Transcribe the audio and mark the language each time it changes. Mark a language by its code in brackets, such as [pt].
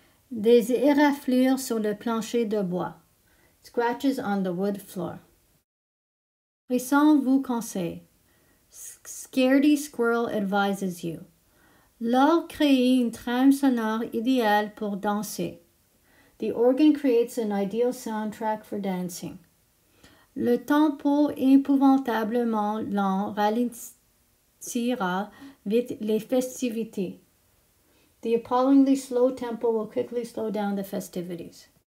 [fr] Des éraflures sur le plancher de bois. [en] Scratches on the wood floor. [fr] Frisson vous conseille. [en] Scaredy squirrel advises you. [fr] L'or crée une trame sonore idéale pour danser. [en] The organ creates an ideal soundtrack for dancing. [fr] Le tempo épouvantablement lent ralentira vite les festivités. [en] The appallingly slow tempo will quickly slow down the festivities.